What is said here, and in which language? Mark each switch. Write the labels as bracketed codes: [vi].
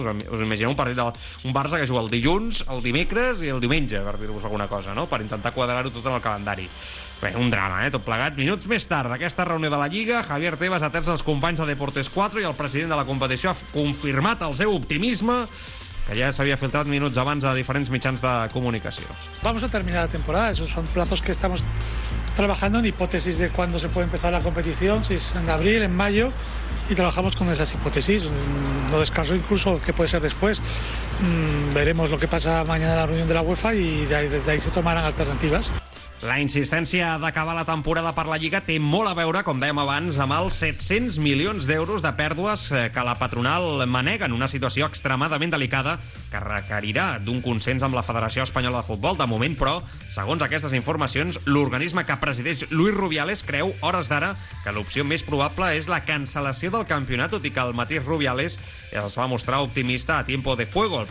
[ca] Us imagineu un partit un Barça que juga el dilluns, el dimecres i el diumenge, per dir-vos alguna cosa, no? Per intentar quadrar-ho tot en el calendari. Bé, un drama, tot plegat. Minuts més tard d'aquesta reunió de la Lliga, Javier Tebas ha atès els companys de Deportes 4 i el president de la competició ha confirmat el seu optimisme, que ja s'havia filtrat minuts abans a diferents mitjans de comunicació. [es] Vamos a terminar la temporada, esos son plazos que estamos trabajando en hipótesis de cuándo se puede empezar la competición, si es en abril, en mayo, y trabajamos con esas hipótesis. No descanso incluso que puede ser después. Veremos lo que pasa mañana en la reunión de la UEFA y desde ahí se tomarán alternativas. [ca] La insistència d'acabar la temporada per la Lliga té molt a veure, com dèiem abans, amb els 700 milions d'euros de pèrdues que la patronal manega en una situació extremadament delicada que requerirà d'un consens amb la Federació Espanyola de Futbol. De moment, però, segons aquestes informacions, l'organisme que presideix Luis Rubiales creu, hores d'ara, que l'opció més probable és la cancel·lació del campionat, tot i que el mateix Rubiales es va mostrar optimista a Tiempo de Fuego.